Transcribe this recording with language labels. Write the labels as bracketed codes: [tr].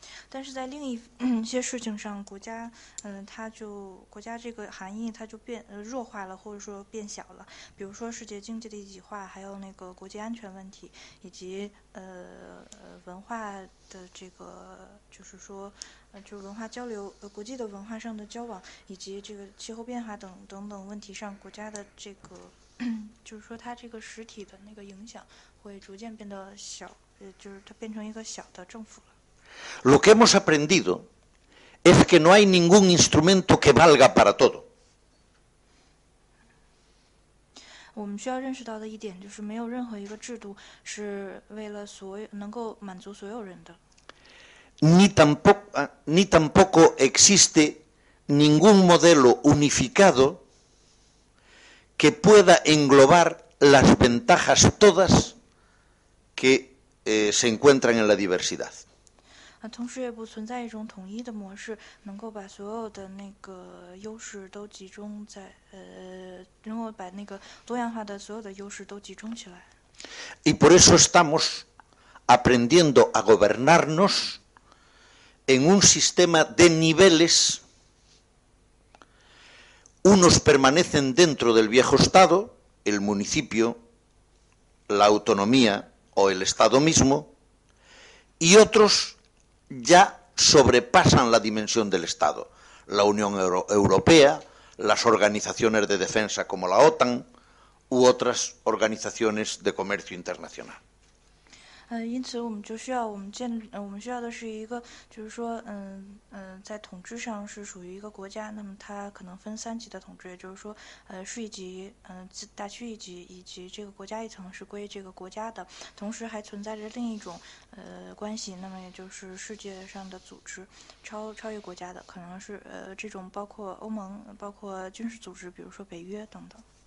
[zh] 但是在另一些事情上，国家，它就国家这个含义，它就变弱化了，或者说变小了。比如说世界经济的一体化，还有那个国际安全问题，以及文化的这个，就是说，就文化交流，国际的文化上的交往，以及这个气候变化等等问题上，国家的这个，就是说它这个实体的那个影响会逐渐变得小，就是它变成一个小的政府了。 [es] Lo que hemos aprendido es que no hay ningún instrumento que valga para todo. [zh] 我们需要认识到的一点就是没有任何一个制度是为了所有能够满足所有人的。 [es] Ni tampoco existe ningún modelo unificado que pueda englobar las ventajas todas que se encuentran en la diversidad. [zh] 同时也不存在一种统一的模式能够把所有的那个优势都集中在能够把那个多样化的所有的优势都集中起来。 [es] Y por eso estamos aprendiendo a gobernarnos en un sistema de niveles. Unos permanecen dentro del viejo Estado, el municipio, la autonomía o el Estado mismo, y otros... ya sobrepasan la dimensión del Estado, la Unión Europea, las organizaciones de defensa como la OTAN u otras organizaciones de comercio internacional. [zh] 因此我们就需要我们需要的是一个，就是说，在统治上是属于一个国家，那么它可能分三级的统治，也就是说，市一级，大区一级，以及这个国家一层是归这个国家的。同时还存在着另一种关系，那么也就是世界上的组织，超越国家的，可能是这种包括欧盟，包括军事组织，比如说北约等等。